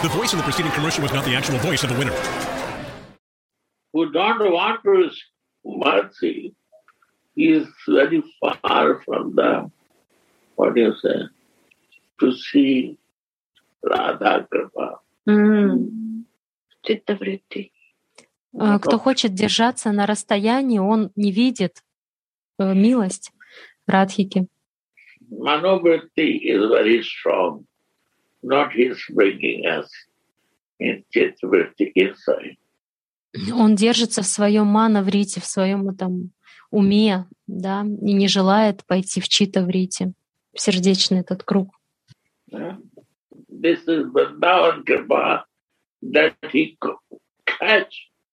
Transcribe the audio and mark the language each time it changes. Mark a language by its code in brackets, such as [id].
[en] The voice of the preceding commercial was not the actual voice of the winner. Who don't want his mercy, he is very far from the, what do you say, to see Radha Krupa. Chitta Vritti. [ru] Кто хочет держаться на расстоянии, он не видит милость Радхики. [en] Manobritti is very strong, not his bringing us in Chitta-vritti inside. [ru] Он держится в своем мановритте, в своем этом уме, да, и не желает пойти в читта-вритти, в сердечный этот круг. [en] Yeah. This is the Vrindavan Kripa that he catch.